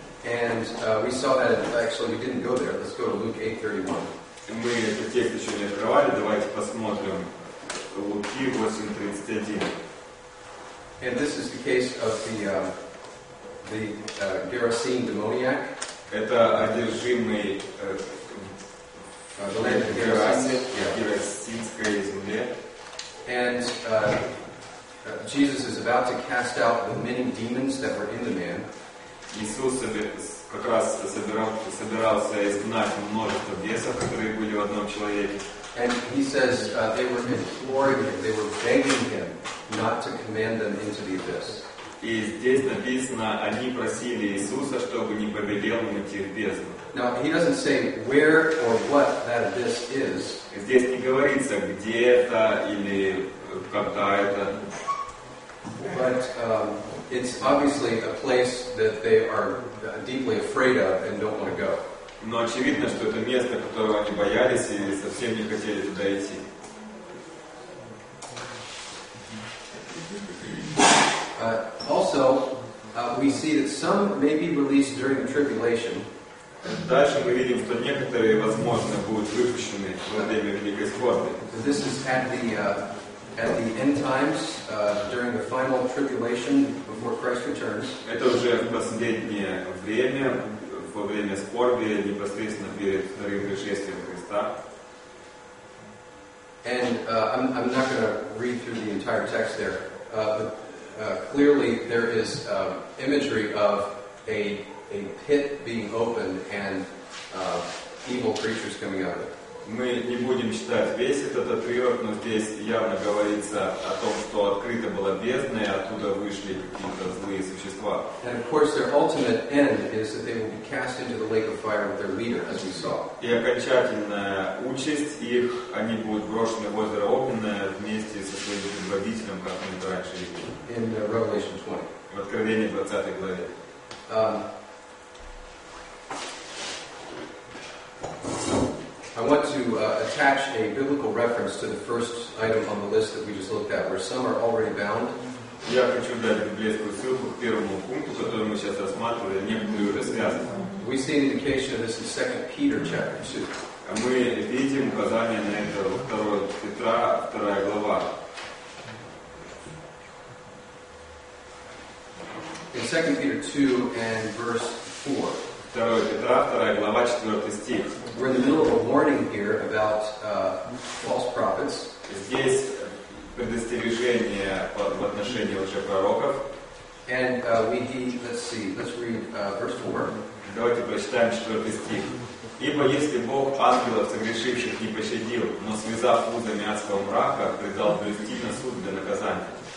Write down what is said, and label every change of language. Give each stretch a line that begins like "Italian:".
English: And we saw that, actually, we didn't go there. Let's go to Luke 8:31.
Russian: Мы этот текст еще не открывали. Давайте посмотрим. Луки 8:31.
English: And this is the case of the Gerasene demoniac.
Russian: Это одержимый Герасинской земле.
English: And Jesus is about to cast out the many demons that were in the man.
Russian: Иисус как раз собирался изгнать множество бесов, которые были в одном человеке.
English: And he says they were imploring him, they were begging him not to command them into the abyss.
Russian: И здесь написано, они просили Иисуса, чтобы не повелел им идти в бездну.
English: Now, he doesn't say where or what that abyss is.
Russian: Здесь не говорится, где это или когда это.
English: But it's obviously a place that they are deeply afraid of and don't want to go.
Russian: Но очевидно, что это место, которого они боялись и совсем не хотели туда идти.
English: Also, we see that some may be released during the tribulation.
Russian: Дальше мы видим, что некоторые, возможно, будут выпущены во время Великой скорби.
English: This is at the end times, during the final tribulation before Christ returns.
Russian: Это уже в последнее время, во время скорби, непосредственно перед вторым пришествием Христа.
English: And I'm not going to read through the entire text there. Clearly, there is imagery of a pit being opened and evil creatures coming out of it.
Russian: Мы не будем читать весь этот отрывок, но здесь явно говорится о том, что открыта была бездна, и оттуда вышли какие-то злые существа.
English: And of course their ultimate end is that they will be cast into the lake of fire with their leader, as we saw.
Russian: И окончательная участь их, они будут брошены в озеро Огненное вместе со своим предводителем, как мы раньше видели.
English: In Revelation 20.
Russian: В Откровении 20 главе.
English: I want to attach a biblical reference to the first item on the list that we just looked at, where some are already bound.
Russian: Я хочу дать библейскую ссылку к первому пункту, который мы сейчас рассматриваем, некоторые уже связаны.
English: We see an indication of this in 2 Peter chapter 2.
Russian: А мы видим указание на это во 2 Петра, 2 глава.
English: In 2 Peter 2 and verse 4.
Russian: 2 Петра, 2 глава, 4 стих.
English: We're in the middle of a warning here about false prophets.
Russian: Здесь предостережение в отношении лжепророков.
English: And let's read verse 4.
Russian: Давайте прочитаем 4 стих. Ибо если Бог ангелов согрешивших не пощадил, но связав узами адского мрака, предал довести на суд для наказания.